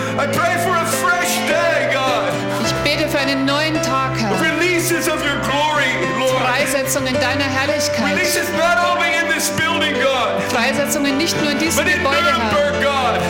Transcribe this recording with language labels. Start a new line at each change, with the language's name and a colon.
English: I pray for a fresh day, God.
German: Ich bete für einen neuen Tag, Herr.
English: Releases of your glory, Lord.
German: Freisetzung in deiner Herrlichkeit.
English: Releases not only in this building, God.
German: Freisetzungen nicht nur in diesem Gebäude, Herr.